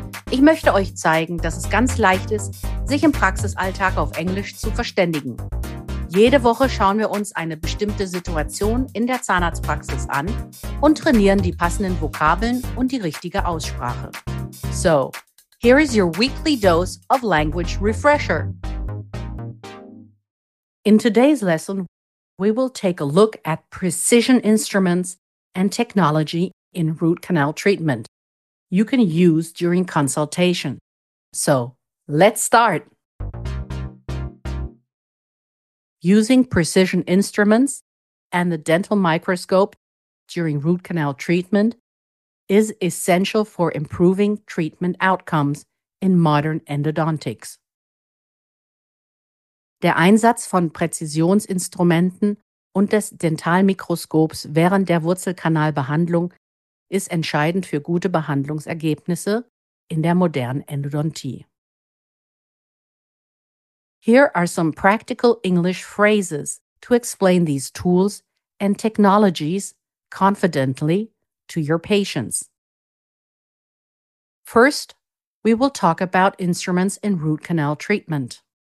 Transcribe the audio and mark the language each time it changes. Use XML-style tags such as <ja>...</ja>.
<de>Ich möchte euch zeigen, dass es ganz leicht ist, sich im Praxisalltag auf Englisch zu verständigen. Jede Woche schauen wir uns eine bestimmte Situation in der Zahnarztpraxis an und trainieren die passenden Vokabeln und die richtige Aussprache.</de> <en>So, here is your weekly dose of language refresher. In today's lesson, we will take a look at precision instruments and technology in root canal treatment you can use during consultation. So, let's start! Using precision instruments and the dental microscope during root canal treatment is essential for improving treatment outcomes in modern endodontics.</en> <de>Der Einsatz von Präzisionsinstrumenten und des Dentalmikroskops während der Wurzelkanalbehandlung ist entscheidend für gute Behandlungsergebnisse in der modernen Endodontie.</de> <en>Here are some practical English phrases to explain these tools and technologies confidently to your patients. First, we will talk about instruments in root canal treatment.</en>